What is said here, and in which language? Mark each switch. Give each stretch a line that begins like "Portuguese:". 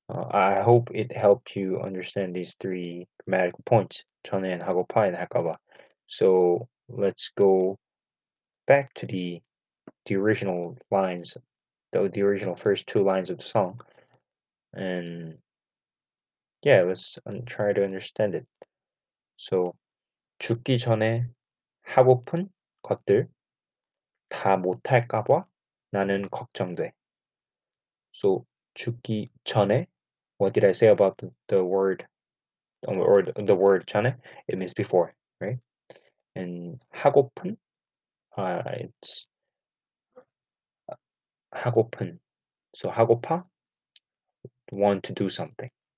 English: I hope it helped you understand these three grammatical points, 전에 and 하고파 and 할까봐. So let's go back to the original lines, the original first 2 lines of the song, and yeah, let's try to understand it. So.
Korean: 죽기 전에 하고픈 것들 다 못할까봐 나는 걱정돼.
English: So
Korean: 죽기 전에,
English: what did I say about the word, or the word 전에? It means before, right? And 하고픈, it's 하고픈. So 하고파, want to do something.